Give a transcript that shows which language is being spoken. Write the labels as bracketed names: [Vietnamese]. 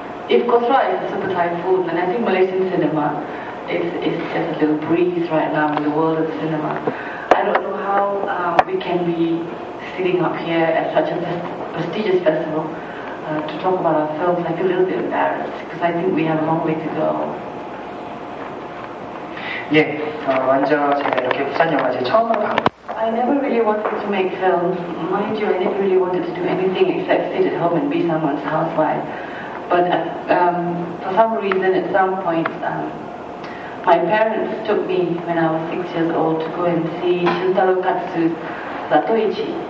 [English] If Khosra is a super typhoon, then I think Malaysian cinema is just a little breeze right now in the world of cinema. I don't know how we can be sitting up here at such a prestigious festival to talk about our films. I feel a little bit embarrassed, because I think we have a long way to go. [Korean] 예, 먼저 제가 이렇게 부산 영화제 처음으로 방문. [English] I never really wanted to make films. Mind you, I never really wanted to do anything except sit at home and be someone's housewife. But for some reason, at some point, my parents took me when I was 6 years old to go and see Shintaro Katsu's Satoichi.